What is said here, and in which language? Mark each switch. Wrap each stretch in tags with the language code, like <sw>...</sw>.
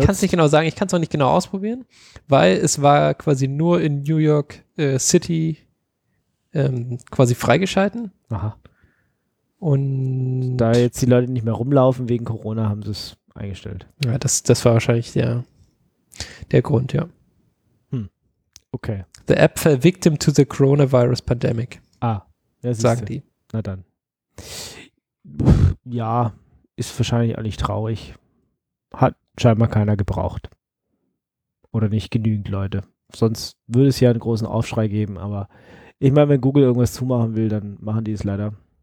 <de>Ich kann es nicht genau sagen, ich kann es noch nicht genau ausprobieren, weil es war quasi nur in New York City quasi freigeschalten. Aha. Und da jetzt die Leute nicht mehr rumlaufen wegen Corona, haben sie es eingestellt. Ja, das war wahrscheinlich der Grund, ja. Okay.</de> <en>The app fell victim to the coronavirus pandemic.</en> <de>Ah, ja, sagen die. Na dann. Ja, ist wahrscheinlich auch nicht traurig. Hat scheinbar keiner gebraucht. Oder nicht genügend Leute. Sonst würde es ja einen großen Aufschrei geben, aber ich meine, wenn Google irgendwas zumachen will, dann machen die es leider.</de>